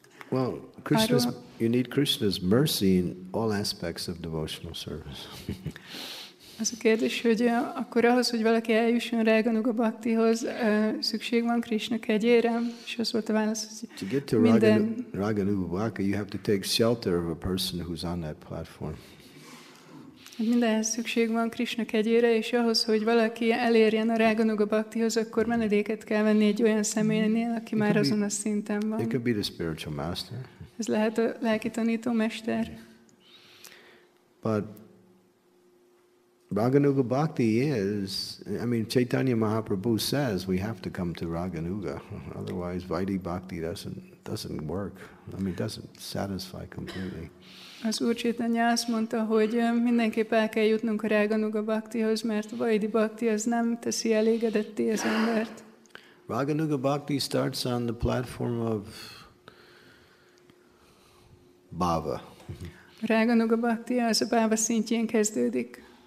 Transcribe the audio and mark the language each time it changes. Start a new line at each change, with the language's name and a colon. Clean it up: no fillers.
English: Well, Krishna's you need Krishna's mercy in all aspects of devotional service.
Hungarian: Az a kérdés, hogy akkor ahhoz, hogy valaki eljusson Raganuga Bhaktihoz, szükség van Krishna kegyére, és az volt a válasz, hogy minden...
English: To get to Raganuga Bhakti, you have to take shelter of a person who's on that platform.
Hungarian: Mindenhez szükség van Krishna kegyére, és ahhoz, hogy valaki elérjen a Raganuga Bhaktihoz, akkor menedéket kell venni egy olyan személynél, aki
English: it
Hungarian: már azon a szinten van.
English: It could be the spiritual master.
Hungarian: Ez lehet a lelki tanító mester.
English: But Raganuga Bhakti is, I mean, Chaitanya Mahaprabhu says we have to come to Raganuga, otherwise Vaidhi Bhakti doesn't work, I mean, doesn't satisfy completely.
Hungarian: Az Úr Chaitanya azt mondta, hogy mindenképp el kell jutnunk a Raganuga Bhaktihoz, mert a Vaidhi Bhakti az nem teszi elégedetté az embert.
English: Raganuga Bhakti starts on the platform of bhava.
Hungarian: Raganuga Bhakti az a bhava szintjén kezdődik.